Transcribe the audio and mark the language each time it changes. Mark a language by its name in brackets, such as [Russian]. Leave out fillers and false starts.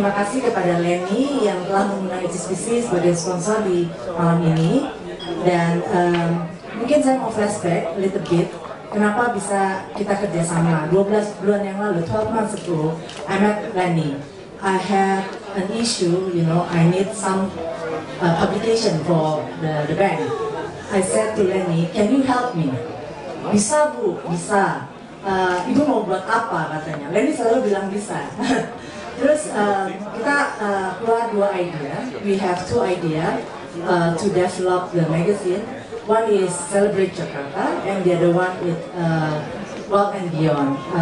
[Indonesian] Sebagai sponsor di malam ini, dan mungkin saya mau [English] flashback a little bit [Indonesian] kenapa bisa kita kerjasama 12 bulan yang lalu, [English] 12 months ago, I met Lenny. I had an issue, you know, I need some publication for the bank. I said to Lenny, can you help me? [Indonesian] Bisa bu, bisa. Ibu mau buat apa katanya, Lenny selalu bilang bisa. Terus kita keluar dua idea. [English] We have two idea to develop the magazine. One is Celebrate Jakarta, and the other one is World and Beyond.